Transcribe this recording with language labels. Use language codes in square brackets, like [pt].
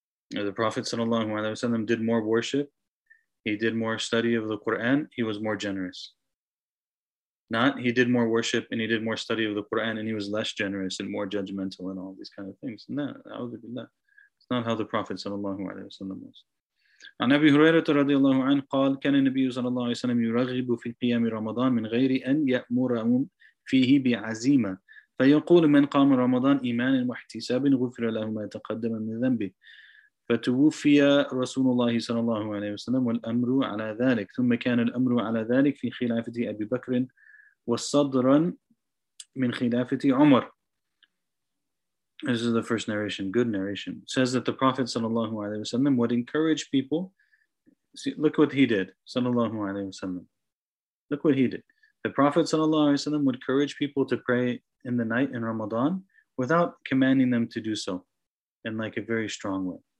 [en] You know, the Prophet sallallahu alaihi wasallam did more worship. He did more study of the Quran. He was more generous. Not he did more worship and he did more study of the Quran and he was less generous and more judgmental and all these kind of things. It's not how the Prophet sallallahu alaihi wasallam was. [ar] عن أبي هريرة رضي الله عنه قال كان النبي صلى الله عليه وسلم يرغب في قيام رمضان من غير أن يأمرهم فيه بعزيمة فيقول من قام رمضان إيمان واحتساب غفر له ما تقدم من ذنبه فتوفي رسول الله صلى الله عليه وسلم والأمر على ذلك ثم كان الأمر على ذلك في خلافة أبي بكر والصدر من خلافة عمر. [en] This is the first narration, good narration. It says that the Prophet sallallahu alaihi wasallam would encourage people. See, look what he did, sallallahu alaihi wasallam. Look what he did. The Prophet sallallahu alaihi wasallam would encourage people to pray in the night in Ramadan without commanding them to do so in like a very strong way.